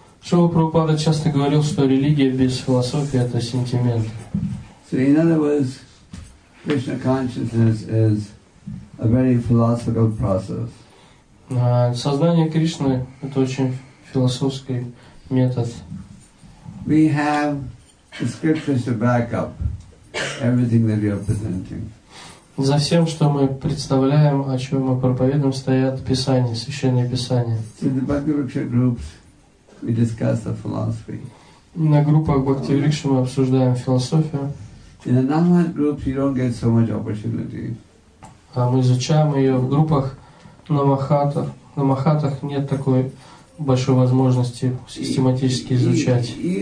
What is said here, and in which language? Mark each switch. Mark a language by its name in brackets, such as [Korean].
[Russian] Шрила Прабхупада часто говорил, что религия без философии – это сентимент. [English] So, in other words, Krishna consciousness is a very philosophical process. [Russian] Сознание Кришны – это очень философский метод. [English] We have the scriptures to back up everything that we are presenting. [Russian] За всем, что мы представляем, о чем мы проповедуем, стоят Писания, Священные Писания. [English] In the Bhakti Riksha groups, we discuss the philosophy. [Russian] На группах Бхакти Рикши мы обсуждаем философию. [English] In the Namahat groups, you don't get so much opportunity. [Russian] А мы изучаем ее в группах. На махатах нет такой большой возможности систематически изучать.